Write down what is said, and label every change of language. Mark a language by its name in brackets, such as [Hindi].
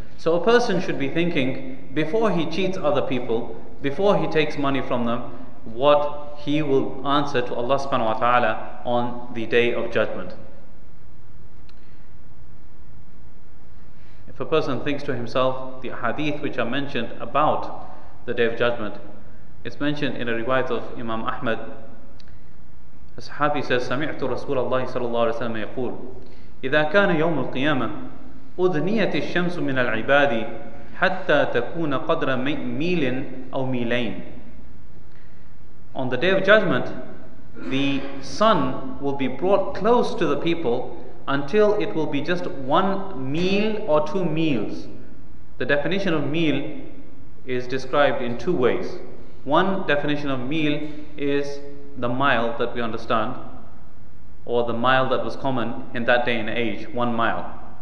[English] So a person should be thinking, before he cheats other people, before he takes money from them, what he will answer to Allah subhanahu wa ta'ala on the Day of Judgment. If a person thinks to himself, the hadith which are mentioned about the Day of Judgment, it's mentioned in a riwayat of Imam Ahmad. A sahabi says, [Arabic] سَمِعْتُ رَسُولَ اللَّهِ صَلَى اللَّهُ عَلَيْهِ وَسَلَّمَ يَقُولُ إِذَا كَانَ يَوْمُ الْقِيَامَةِ أُذْنِيَتِ الشَّمْسُ مِنَ الْعِبَادِ حَتَّى تَكُونَ قَدْرَ مِيلٍ أَوْ مِيلَيْنِ. [English] On the Day of Judgment, the sun will be brought close to the people until it will be just 1 meal or 2 meals. The definition of meal is described in two ways. One definition of meal is the mile that we understand, or the mile that was common in that day and age, 1 mile.